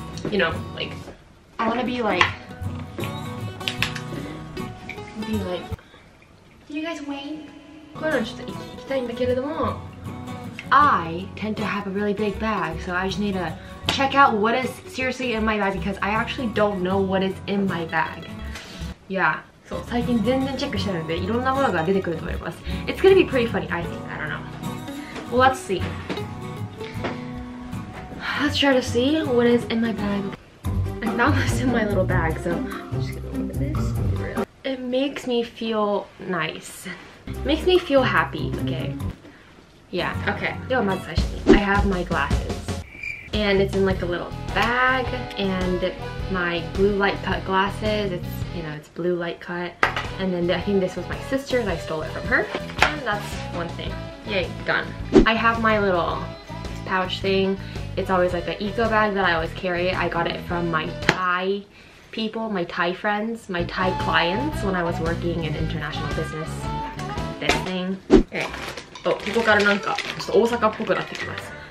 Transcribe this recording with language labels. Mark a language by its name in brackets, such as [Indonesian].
[English] You know, like, I want to be like, can you guys wait? I tend to have a really big bag, so I just need to check out what is seriously in my bag because I actually don't know what is in my bag. [Japanese] Yeah, so, 最近全然チェックしてないので、いろんなものが出てくると思います。 [English] It's gonna be pretty funny, I think. I don't know. Well, let's see. Let's try to see what is in my bag. I found this in my little bag, so I'm just gonna look at this. It makes me feel nice. Makes me feel happy, okay? Yeah, okay. Yo, [Japanese] まず最初に. [English] I have my glasses. And it's in like a little bag. And my blue light cut glasses. It's, you know, it's blue light cut. And then I think this was my sister's. I stole it from her. And that's one thing. Yay, done. I have my little pouch thing. It's always like an eco bag that I always carry. I got it from my Thai people, my Thai friends, my Thai clients when I was working in international business. This thing. Okay. [Japanese] Oh, ここからなんかちょっと大阪っぽくなってきます。